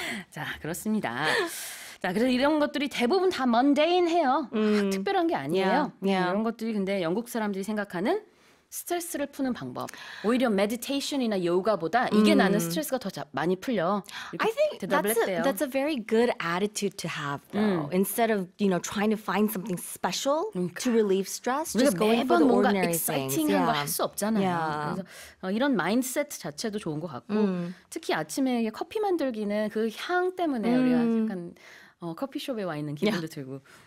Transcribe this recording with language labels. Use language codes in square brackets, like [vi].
[ko] 자, 그렇습니다. 자, 그래서 이런 것들이 대부분 다 mundane 해요. 특별한 게 아니에요. [en] Yeah. Yeah. [ko] 이런 것들이 근데 영국 사람들이 생각하는 스트레스를 푸는 방법. 오히려 메디테이션이나 요가보다 이게 나는 스트레스가 더 많이 풀려. [en] I think that's a very good attitude to have though. Instead of, you know, trying to find something special to relieve stress, just going for the ordinary things. [ko] 뭔가 exciting한 거 할 수 없잖아요. [en] Yeah. [ko] 그래서 이런 마인셋 자체도 좋은 것 같고 특히 아침에 커피 만들기는 그 향 때문에 우리가 약간 커피숍에 와 있는 기분도 들고